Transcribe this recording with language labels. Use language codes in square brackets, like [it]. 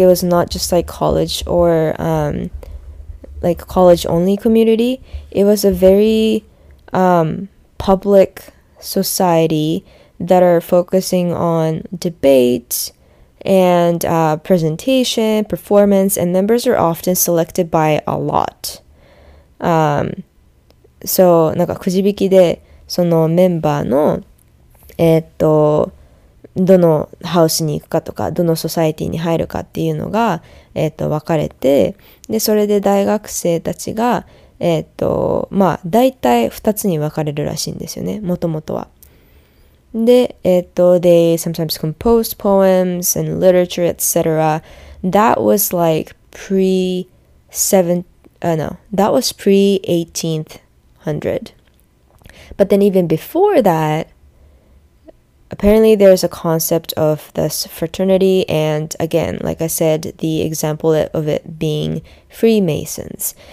[en] It was not just like college or like college only community. It was a very public society that are focusing on debate and presentation, performance, and members are often selected by a lot. [ja] So, なんかくじ引きで、そのメンバーの、どのハウスに行くかとか、どのソサエティに入るかっていうのが、分かれて、で、それで大学生たちが、まあ、大体2つに分かれるらしいんですよね、もともとは。 [en] で、they sometimes composed poems and literature, etc. That was like pre 7th, no, that was pre 18th hundred. But then even before that, apparently there's a concept of this fraternity, and again, like I said, the example of it being Freemasons.